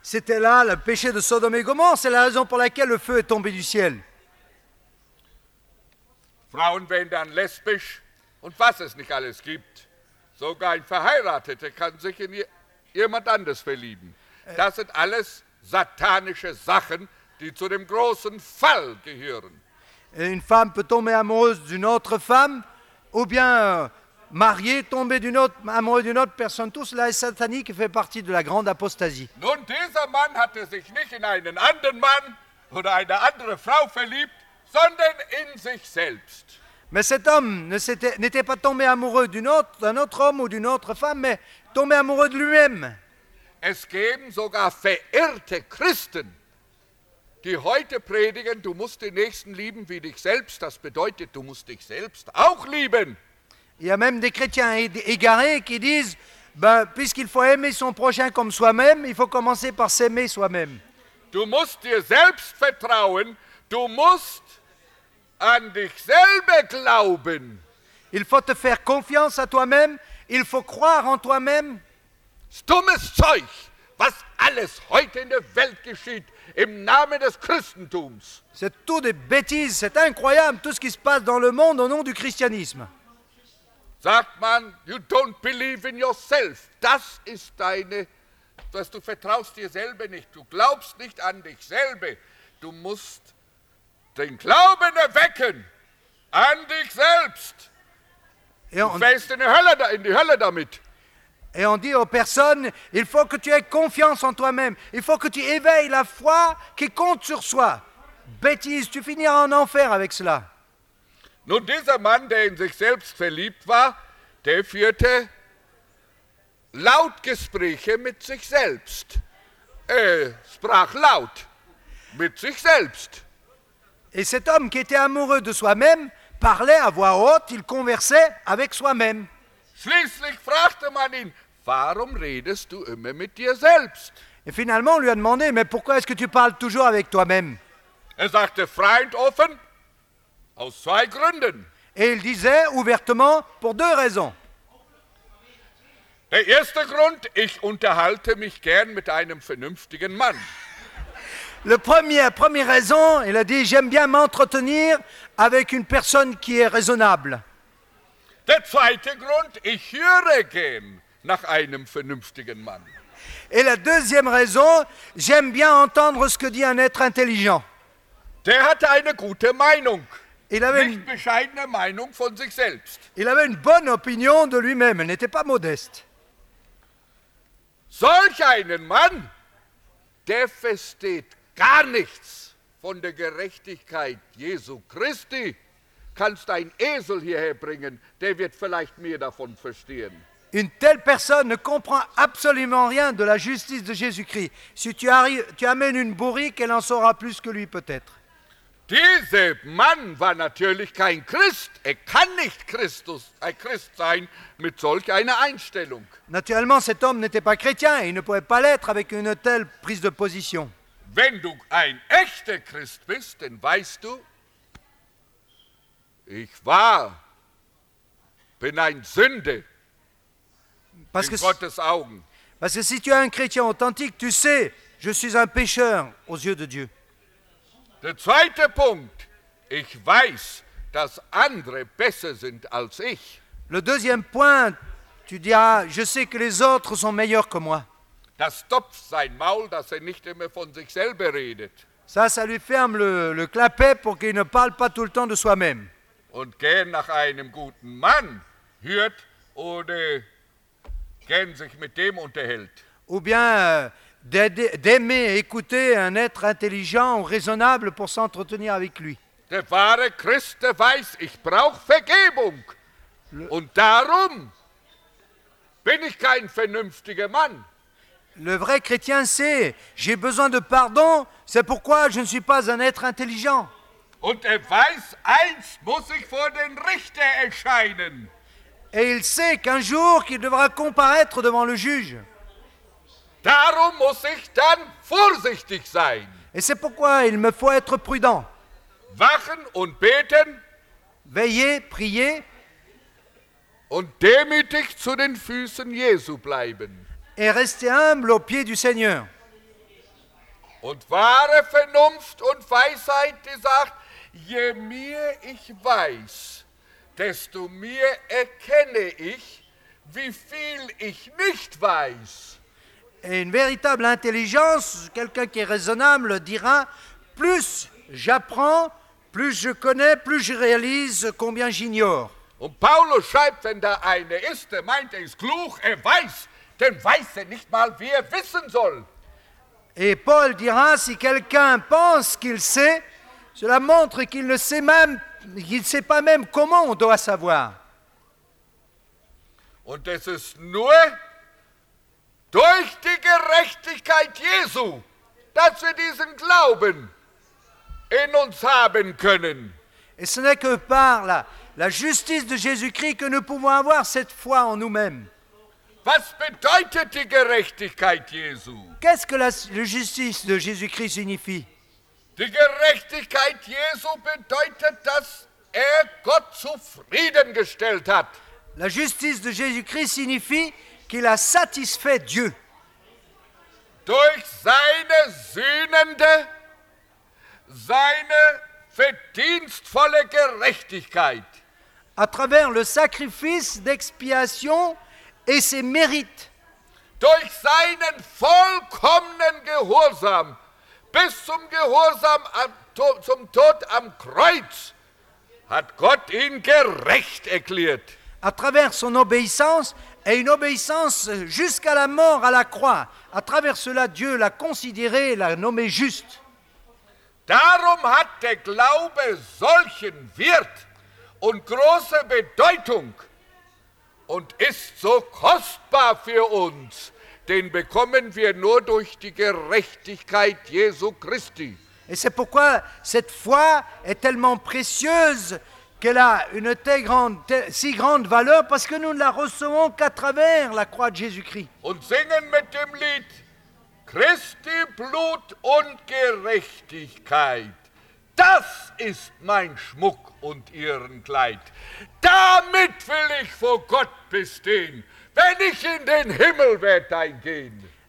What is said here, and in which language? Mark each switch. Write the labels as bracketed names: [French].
[French] C'était là le péché de Sodome et Gomorrhe, c'est la raison pour laquelle le feu est tombé du ciel. [German] Frauen werden dann lesbisch und was es nicht alles gibt. Sogar ein Verheirateter kann sich in jemand anders verlieben. Das sind alles satanische Sachen, die zu dem großen Fall gehören. [French] Une femme peut tomber amoureuse d'une autre femme, ou bien mariée, tomber d'une autre, amoureuse d'une autre personne. Tout cela est satanique et fait partie de la grande apostasie. [German] Nun, dieser Mann hatte sich nicht in einen anderen Mann oder eine andere Frau verliebt, sondern in sich selbst. [French] Mais cet homme n'était pas tombé amoureux d'un autre homme ou d'une autre femme, mais tombé amoureux de lui-même. [German] Es geben sogar verirrte Christen, die heute predigen, du musst den Nächsten lieben wie dich selbst, das bedeutet, du musst dich selbst auch lieben. [French] Il y a même des chrétiens égarés qui disent, ben, puisqu'il faut aimer son prochain comme soi-même, il faut commencer par s'aimer soi-même. [German] Du musst dir selbst vertrauen, du musst an dich selber glauben. [French] Il faut te faire confiance à toi-même, il faut croire en toi-même. [German] Stummes Zeug, was alles heute in der Welt geschieht. Im Namen des Christentums. [French] C'est tout des bêtises, c'est incroyable tout ce qui se passe dans le monde au nom du christianisme. [German] Sagt man, [English] you don't believe in yourself. [German] Das ist deine, dass du vertraust dir selber nicht. Du glaubst nicht an dich selber. Du musst den Glauben erwecken an dich selbst. Du fährst in die Hölle damit. [French] Et on dit aux personnes, il faut que tu aies confiance en toi-même. Il faut que tu éveilles la foi qui compte sur soi. Bêtise, tu finiras en enfer avec cela. [German] Nun, dieser Mann, der in sich selbst verliebt war, der führte laut Gespräche mit sich selbst. Sprach laut mit sich selbst. [French] Et cet homme qui était amoureux de soi-même parlait à voix haute, il conversait avec soi-même. [German] Schließlich fragte man ihn, warum redest du immer mit dir selbst? [French] Et finalement, on lui a demandé, mais pourquoi est-ce que tu parles toujours avec toi-même? [German] Er sagte, freund offen, aus zwei Gründen. [French] Et il disait ouvertement, pour deux raisons. [German] Der erste Grund, ich unterhalte mich gern mit einem vernünftigen Mann. [French] Première raison, il a dit, j'aime bien m'entretenir avec une personne qui est raisonnable. [German] Der zweite Grund, ich höre gern nach einem vernünftigen Mann. [French] Et la deuxième raison, j'aime bien entendre ce que dit un être intelligent. [German] Der hatte eine gute Meinung, nicht bescheidene Meinung von sich selbst. [French] Il avait une bonne opinion de lui-même, elle n'était pas modeste. [German] Solch einen Mann, der versteht gar nichts von der Gerechtigkeit Jesu Christi. Kannst ein Esel hierher bringen, der wird vielleicht mehr davon verstehen. [French] Une telle personne ne comprend absolument rien de la justice de Jésus-Christ. Si tu amènes une bourrique, elle en saura plus que lui peut-être. [German] Dieser Mann war natürlich kein Christ. Kann nicht Christus, ein Christ sein mit solch einer Einstellung. [French] Naturellement, cet homme n'était pas chrétien et il ne pouvait pas l'être avec une telle prise de position. [German] Wenn du ein echter Christ bist, dann weißt du, ich war, bin ein Sünde [French] parce [German] in Gottes Augen. [French] Parce que si tu es un chrétien authentique, tu sais, je suis un pécheur aux yeux de Dieu. [German] Der zweite Punkt, ich weiß, dass andere besser sind als ich. [French] Le deuxième point, tu diras, je sais que les autres sont meilleurs que moi. [German] Das stopft sein Maul, dass er nicht immer von sich selber redet. [French] Ça lui ferme le clapet pour qu'il ne parle pas tout le temps de soi-même. [German] Und gern nach einem guten Mann hört oder gern sich mit dem unterhält. [French] Ou bien d'aimer écouter un être intelligent ou raisonnable pour s'entretenir avec lui. [German] Der wahre Christ weiß, ich brauche Vergebung. Und darum bin ich kein vernünftiger Mann. [French] Le vrai chrétien sait, j'ai besoin de pardon, c'est pourquoi je ne suis pas un être intelligent. [German] Und er weiß, eins muss ich vor den Richter erscheinen. [French] Et il sait qu'un jour qu'il devra comparaître devant le juge. [German] Darum muss ich dann vorsichtig sein. [French] Et c'est pourquoi il me faut être prudent. [German] Wachen und beten. [French] Veiller, prier. [German] Und demütig zu den Füßen Jesu bleiben. [French] Et rester humble aux pieds du Seigneur. [German] Und wahre Vernunft und Weisheit, die sagt, je mehr ich weiß, desto mehr erkenne ich, wie viel ich nicht weiß. [French] Et une véritable intelligence, quelqu'un qui est raisonnable dira, plus j'apprends, plus je connais, plus je réalise combien j'ignore. [German] Und Paulus schreibt, wenn da eine ist, der meint, er ist klug, er weiß, denn weiß er nicht mal, wie er wissen soll. [French] Et Paul dira, si quelqu'un pense qu'il sait, cela montre qu'il ne sait même, il sait pas même comment on doit savoir. [German] Und es ist nur durch die Gerechtigkeit Jesu, dass wir diesen Glauben in uns haben können. [French] Et ce n'est que par la justice de Jésus-Christ que nous pouvons avoir cette foi en nous-mêmes. [German] Was bedeutet die Gerechtigkeit Jesu? [French] Qu'est-ce que la justice de Jésus-Christ signifie? [German] Die Gerechtigkeit Jesu bedeutet, dass Gott zufriedengestellt hat. [French] La justice de Jésus-Christ signifie qu'il a satisfait Dieu. [German] Durch seine sühnende, seine verdienstvolle Gerechtigkeit. [French] À travers le sacrifice d'expiation et ses mérites. [German] Durch seinen vollkommenen Gehorsam bis zum Gehorsam zum Tod am Kreuz hat Gott ihn gerecht erklärt. [French] À travers son obéissance et une obéissance jusqu'à la mort à la croix, à travers cela Dieu l'a considéré et l'a nommé juste. [German] Darum hat der Glaube solchen Wert und große Bedeutung. Und ist so kostbar für uns, den bekommen wir nur durch die Gerechtigkeit Jesu Christi. [French] Et c'est pourquoi cette foi est tellement précieuse qu'elle a une si grande valeur parce que nous ne la recevons qu'à travers la croix de Jésus-Christ. [German] Und singen mit dem Lied Christi Blut und Gerechtigkeit. Das ist mein Schmuck und ihren Kleid. Damit will ich vor Gott bestehen, wenn ich in den Himmel werde eingehen.